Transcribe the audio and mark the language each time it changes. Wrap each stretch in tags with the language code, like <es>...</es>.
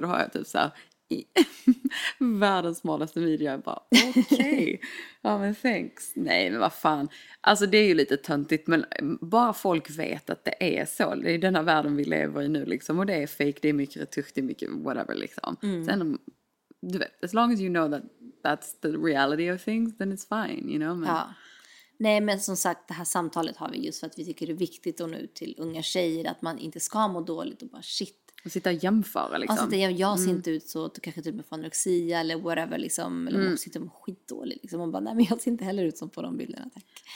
<sv>Då har jag typ så här, världens smalaste video. Jag bara, okej. Okay. Ja, men thanks. Nej, men vad fan. Alltså, det är ju lite töntigt. Men bara folk vet att det är så. Det är den här världen vi lever i nu liksom. Och det är fake, det är mycket retusch, det är mycket whatever liksom. Mm.</sv> <en>Sen, du vet, as long as you know that that's the reality of things, then it's fine, you know.</en> <sv>Men... ja. Nej, men som sagt, det här samtalet har vi just för att vi tycker det är viktigt att nå ut till unga tjejer. Att man inte ska må dåligt och bara shit. Och sitta och jämföra liksom. Alltså, jag ser inte ut så att du kanske typ med anorexia eller whatever liksom. Eller man sitter och skitdålig liksom. Och bara, nej, men jag ser inte heller ut som på de bilderna, tack.</sv>